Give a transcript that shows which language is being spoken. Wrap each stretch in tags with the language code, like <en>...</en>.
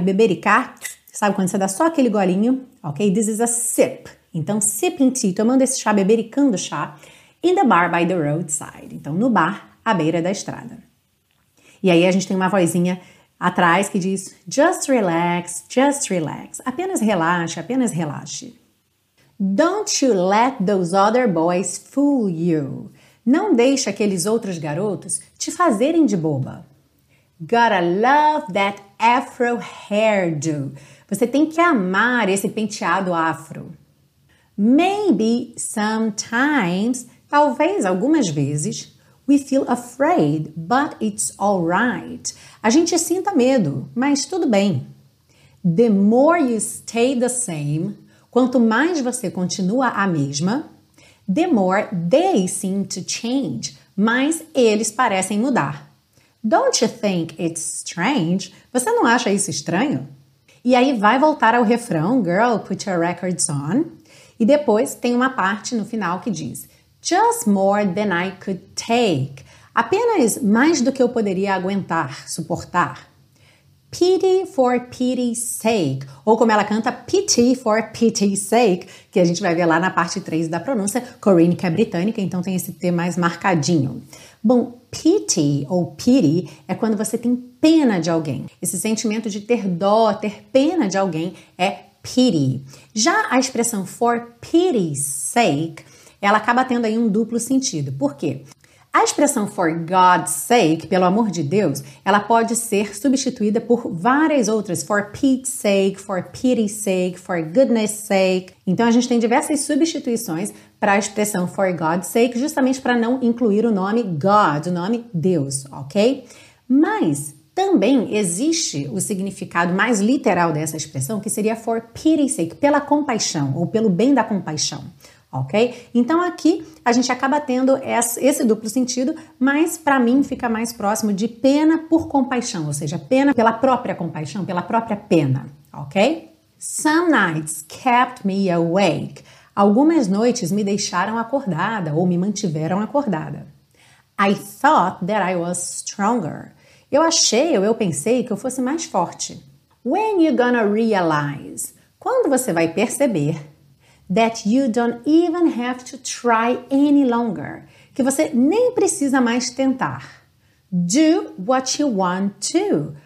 <pt>Bebericar, sabe quando você dá só aquele golinho, ok?</pt> <en>This is a sip.</en> <pt>Então, sipping tea, tomando esse chá, bebericando chá,</pt> <en>in the bar by the roadside.</en> <pt>Então, no bar, à beira da estrada. E aí a gente tem uma vozinha atrás que diz,</pt> <en>just relax, just relax.</en> <pt>Apenas relaxe, apenas relaxe.</pt> <en>Don't you let those other boys fool you.</en> <pt>Não deixe aqueles outros garotos te fazerem de boba.</pt> <en>Gotta love that afro hairdo.</en> <pt>Você tem que amar esse penteado afro.</pt> <en>Maybe sometimes,</en> <pt>talvez algumas vezes,</pt> <en>we feel afraid, but it's alright.</en> <pt>A gente sinta medo, mas tudo bem.</pt> <en>The more you stay the same,</en> <pt>quanto mais você continua a mesma,</pt> <en>the more they seem to change,</en> <pt>mais eles parecem mudar.</pt> <en>Don't you think it's strange?</en> <pt>Você não acha isso estranho? E aí vai voltar ao refrão,</pt> <en>girl, put your records on.</en> <pt>E depois tem uma parte no final que diz,</pt> <en>just more than I could take.</en> <pt>Apenas mais do que eu poderia aguentar, suportar.</pt> <en>Pity for pity's sake.</en> <pt>Ou como ela canta, pity for pity's sake, que a gente vai ver lá na parte 3 da pronúncia. Corinne, que é britânica, então tem esse T mais marcadinho. Bom, pity ou pity é quando você tem pena de alguém. Esse sentimento de ter dó, ter pena de alguém é pity. Já a expressão for pity's sake, ela acaba tendo aí um duplo sentido. Por quê? A expressão for God's sake, pelo amor de Deus, ela pode ser substituída por várias outras.</pt> <en>For Pete's sake, for pity's sake, for goodness sake.</en> <pt>Então a gente tem diversas substituições para a expressão for God's sake, justamente para não incluir o nome God, o nome Deus, ok? Mas também existe o significado mais literal dessa expressão, que seria for pity's sake, pela compaixão ou pelo bem da compaixão, ok? Então aqui a gente acaba tendo esse duplo sentido, mas para mim fica mais próximo de pena por compaixão, ou seja, pena pela própria compaixão, pela própria pena, ok?</pt> <en>Some nights kept me awake.</en> <pt>Algumas noites me deixaram acordada ou me mantiveram acordada.</pt> <en>I thought that I was stronger.</en> <pt>Eu achei ou eu pensei que eu fosse mais forte.</pt> <en>When you gonna realize?</en> <pt>Quando você vai perceber</pt> <en>that you don't even have to try any longer?</en> <pt>Que você nem precisa mais tentar.</pt> <en>Do what you want to.</en>